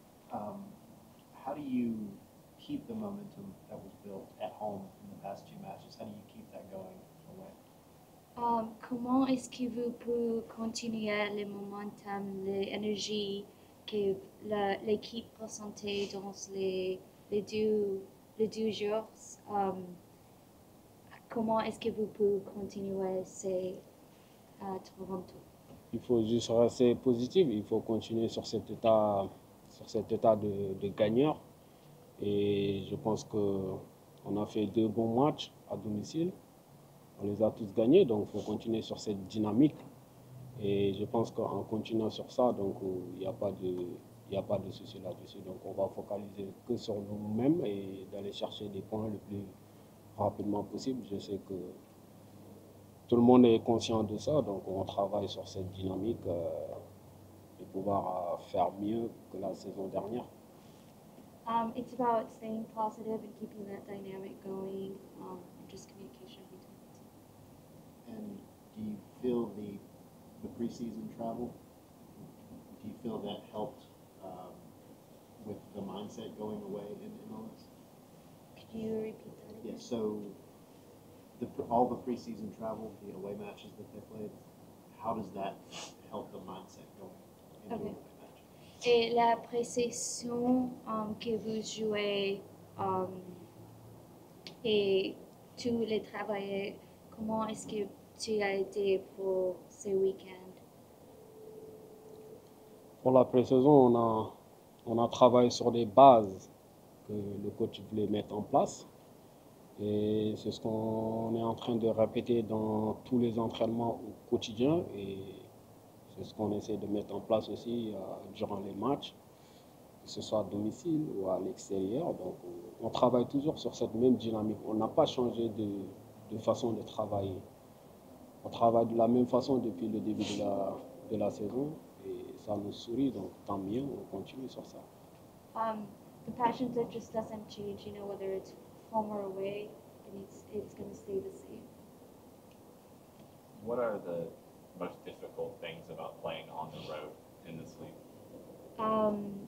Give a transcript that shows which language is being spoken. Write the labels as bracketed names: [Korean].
[English] How do you keep the momentum that was built at home in the past two matches? How do you keep that going away? [French] Comment est-ce que vous pouvez continuer le momentum, l'énergie que l'équipe présentait dans les deux jours? Comment est-ce que vous pouvez continuer à Toronto? Il faut juste rester positif, il faut continuer sur cet état de gagneur. Et je pense qu'on a fait deux bons matchs à domicile. On les a tous gagnés, donc il faut continuer sur cette dynamique. Et je pense qu'en continuant sur ça, donc il n'y a pas de souci là-dessus. Donc on va focaliser que sur nous-mêmes et d'aller chercher des points le plus rapidement possible. Je sais que tout le monde est conscient de ça, donc on travaille sur cette dynamique et pouvoir faire mieux que la saison dernière. [English] It's about staying positive and keeping that dynamic going, just communication between the team. And do you feel the preseason travel? Do you feel that helped with the mindset going away in moments? Could you repeat that again? Yeah, so all the preseason travel, the away matches that they played, how does that help the mindset going into the away match? [French] Et la pré-saison que vous jouez et tous les travailleurs, comment est-ce que tu as été pour ce week-end? Pour la pré-saison, on a travaillé sur des bases que le coach voulait mettre en place. Et c'est ce qu'on est en train de répéter dans tous les entraînements au quotidien. Et c'est ce qu'on essaie de mettre en place aussi durant les matchs, que ce soit à domicile ou à l'extérieur. Donc on travaille toujours sur cette même dynamique. On n'a pas changé de façon de travailler. On travaille de la même façon depuis le début de la saison. Et ça nous sourit, donc tant mieux, on continue sur ça. [English] The passion that just doesn't change, you know, whether it's home or away, and it's going to stay the same. What are the most difficult things about playing on the road in this league?